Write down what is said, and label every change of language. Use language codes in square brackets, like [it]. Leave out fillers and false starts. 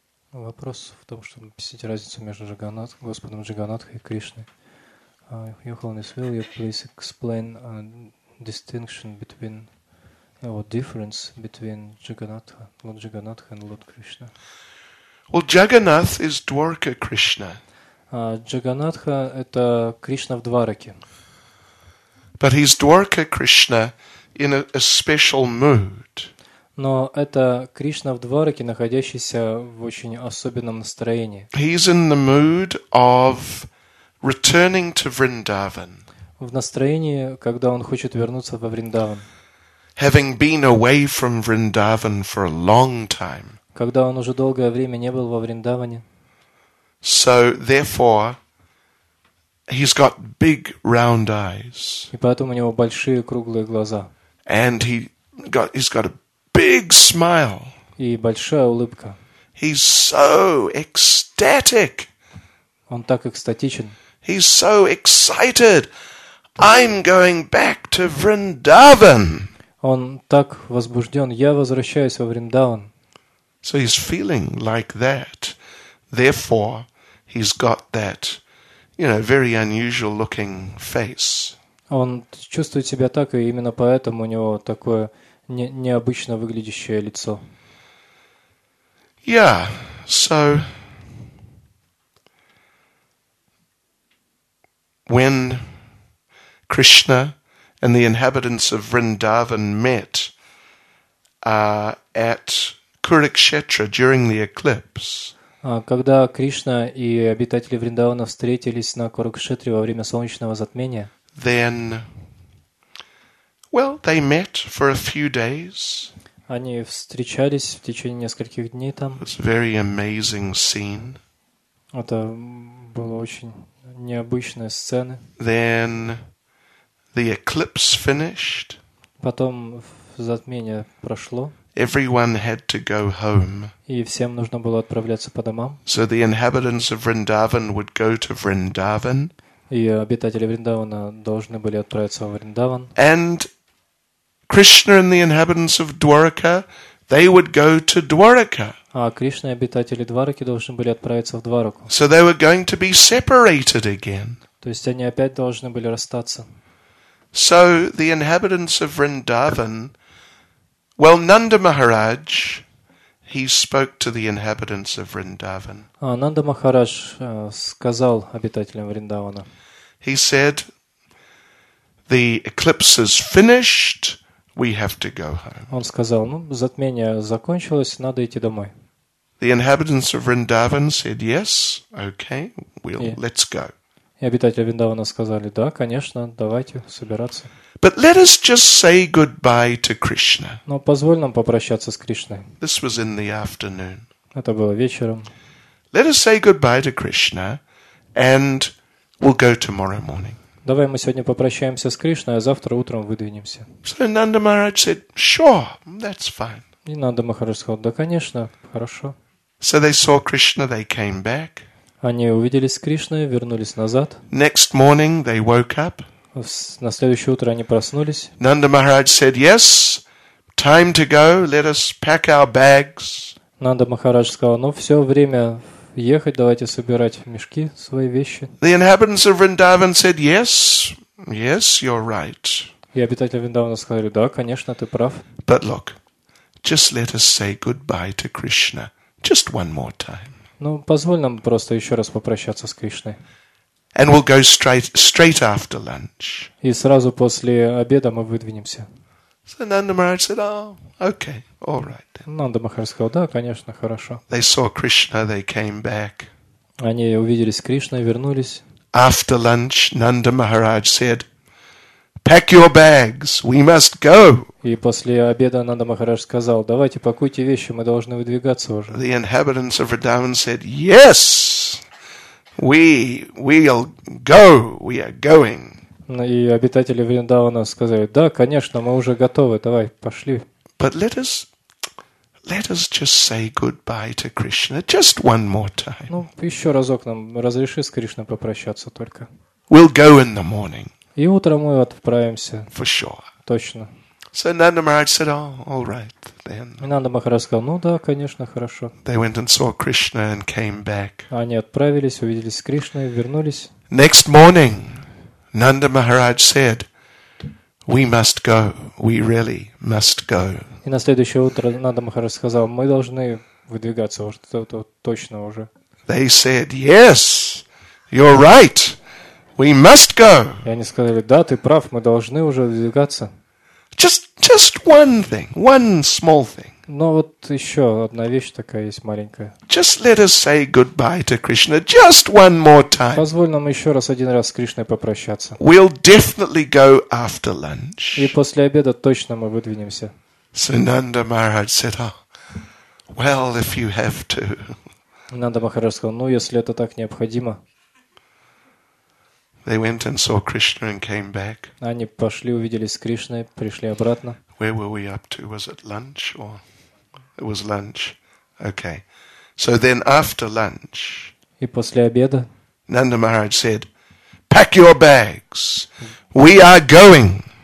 [ru] Вопрос в том, чтобы объяснить разницу между Господом Джаганатхой и Кришной. [en] Йохан, will you please explain a distinction between or difference between Jagannatha, Lord Jagannatha and Lord Krishna? Well, Jagannath is Dwarka Krishna. [ru] Jagannatha это Кришна в Двараке. [en] But he's Dwarka Krishna in a special mood. [ru] Но это Кришна в Двараке, находящийся в очень особенном настроении. [en] He's in the mood of returning to Vrindavan. [ru] В настроении, когда он хочет вернуться во Вриндаван. [en] Having been away from Vrindavan for a long time. [ru] Когда он уже долгое время не был во Вриндаване. [en] So therefore he's got big round eyes. [ru] И поэтому у него большие круглые глаза. [en] And he's got a big smile. [ru] И большая улыбка. [en] He's so ecstatic. [ru] Он так экстатичен. [en] He's so excited. I'm going back to Vrindavan. [ru] Он так возбужден. Я возвращаюсь во Вриндаван. [en] So he's feeling like that. Therefore, he's got that, you know, very unusual looking face. [ru] Он чувствует себя так, и именно поэтому у него такое необычно выглядящее лицо. [en] Yeah, so when Krishna and the inhabitants of Vrindavan met at Kurukshetra during the eclipse. [ru] Когда Кришна и обитатели Вриндавана встретились на Курукшетре во время солнечного затмения, [en] then, well, they met for a few days. [ru] Они встречались в течение нескольких дней там. [en] It's a very amazing scene. [ru] Это было очень необычная сцена. [en] Then the eclipse finished. [ru] Потом затмение прошло. [en] Everyone had to go home. [ru] И всем нужно было отправляться по домам. [en] So the inhabitants of Vrindavan would go to Vrindavan. [ru] И обитатели Вриндавана должны были отправиться в Вриндаван. [en] And Krishna and the inhabitants of Dwarka, they would go to Dwarka. [ru] А Кришна и обитатели Двараки должны были отправиться в Двараку. [en] So they were going to be separated again. [ru] То есть они опять должны были расстаться. [en] So the inhabitants of Vrindavan, well, Nanda Maharaj, he spoke to the inhabitants of Vrindavan. [ru] Нанда Махарадж сказал обитателям Вриндавана. [en] He said, the eclipse is finished, we have to go home. [ru] Он сказал, ну, затмение закончилось, надо идти домой. [en] The inhabitants of Vrindavan said, yes, okay, let's go. [ru] И обитатели Вриндавана сказали, да, конечно, давайте собираться. [en] But let us just say goodbye to Krishna. [ru] Но позволь нам попрощаться с Кришной. [en] This was in the afternoon. [ru] Это было вечером. [en] Let us say goodbye to Krishna and we'll go tomorrow morning. [ru] Давай мы сегодня попрощаемся с Кришной, а завтра утром выдвинемся. [en] So Nanda Maharaj said, sure, that's fine. [ru] И Нанда Махарадж сказал, да, конечно, хорошо. [en] So they saw Krishna, they came back. [ru] Они увидели с Кришной, вернулись назад. [en] Next morning they woke up. [ru] На следующее утро они проснулись. [en] Nanda Maharaj said, yes, time to go, let us pack our bags. [ru] Нанда Махарадж сказал, ну все, время ехать, давайте собирать мешки, свои вещи. [en] The inhabitants of Vrindavan said, yes, you're right. [ru] И обитатели Вриндавана сказали, да, конечно, ты прав. [en] But look, just let us say goodbye to Krishna just one more time. [ru] Ну, позволь нам просто еще раз попрощаться с Кришной. [en] And we'll go straight after lunch. [ru] И сразу после обеда мы выдвинемся. [en] So Nanda Maharaj said, oh, okay, all right. [ru] Нанда Махарадж сказал, да, конечно, хорошо. [en] They saw Krishna, they came back. [ru] Они увидели с Кришной, вернулись. [en] After lunch, Nanda Maharaj said, pack your bags, we must go. [ru] И после обеда Нанда Махарадж сказал, давайте пакуйте вещи, мы должны выдвигаться уже. [en] The inhabitants of Vrindavan said, yes, we'll go, we are going. [ru] И обитатели Вриндавана сказали, да, конечно, мы уже готовы, давай, пошли. [en] But let us just say goodbye to Krishna just one more time. [ru] Ну, еще разок нам разреши с Кришной попрощаться только. [en] We'll go in the morning. [ru] И утром мы отправимся. [en] For sure. [ru] Точно. [en] So Nanda Maharaj said, oh, all right, then. [ru] И Нанда Махарадж сказал, ну да, конечно, хорошо. [en] They went and saw Krishna and came back. [ru] Они отправились, увиделись с Кришной, вернулись. [en] Next morning, Nanda Maharaj said, we must go, we really must go. [ru] И на следующее утро Нанда Махарадж сказал, мы должны выдвигаться уже, это точно уже. [en] They said, yes, you're right, we must go. [ru] И они сказали, да, ты прав, мы должны уже выдвигаться. [en] Just one thing, one small thing. [ru] Но вот еще одна вещь такая есть маленькая. [en] Just let us say goodbye to Krishna just one more time. [ru] Позволь нам еще раз один раз с Кришной попрощаться. [en] We'll definitely go after lunch. [ru] И после обеда точно мы выдвинемся. [en] So Nanda Maharaj said, oh, well, if you have to. [ru] Нанда Махарадж сказал, ну, если это так необходимо. [en] They went and saw Krishna and came back. [ru] Они пошли, увиделись с Кришной, пришли обратно. [en] Where were we up to? Was it lunch or it was lunch? Okay. So then after lunch. [ru] И после обеда. [en] Nanda Maharaj said, pack your bags. We are going.